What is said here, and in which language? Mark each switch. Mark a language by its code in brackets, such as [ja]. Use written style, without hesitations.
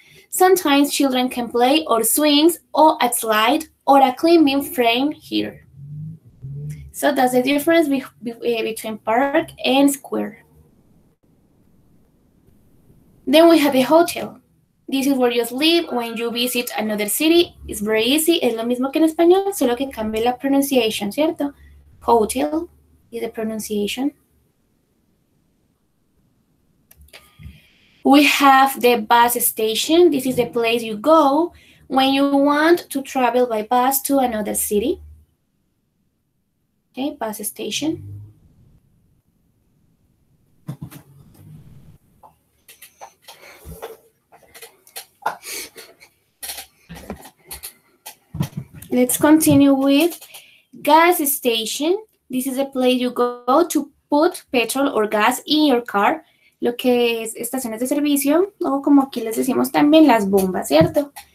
[en] Sometimes children can play on swings or a slide or a climbing frame here. So that's the difference between park and square. Then we have a hotel. This is where you sleep when you visit another city. It's very easy. [es] Es lo mismo que en español, solo que cambia la pronunciación, ¿cierto? [en] Hotel is the pronunciation. We have the bus station. This is the place you go when you want to travel by bus to another city. Okay, bus station. Let's continue with gas station. This is a place you go to put petrol or gas in your car. [es] Lo que es estaciones de servicio, o como aquí les decimos también las bombas, ¿cierto?